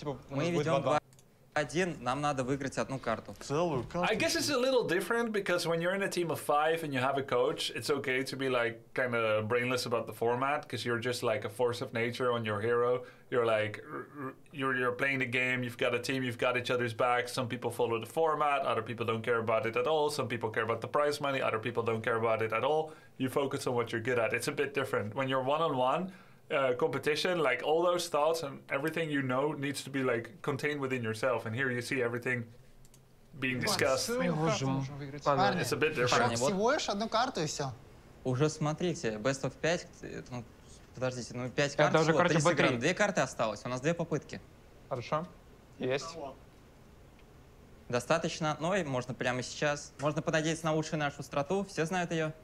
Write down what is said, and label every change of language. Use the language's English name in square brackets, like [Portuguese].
[Russian] Мы ведем 2-1, нам надо выиграть одну карту. Целую карту. [English] I guess it's a little different because when you're in a team of five and you have a coach, it's okay to be like kind of brainless about the format because you're just like a force of nature on your hero. You're like, you're playing the game, you've got a team, you've got each other's back. Some people follow the format, other people don't care about it at all. Some people care about the prize money, other people don't care about it at all. You focus on what you're good at. It's a bit different. When you're one-on-one, competition, like all those thoughts and everything you know needs to be like contained within yourself, and here you see everything being discussed. It's a bit different. [Russian] Всего лишь одну карту и все. Уже смотрите, [English] best of 5. [Russian] Ну, подождите, ну 5 карт. Это уже карта B3. Две карты осталось, у нас две попытки. Хорошо. Есть. Достаточно одной, можно прямо сейчас. Можно понадеяться на лучшую нашу страту, все знают ее.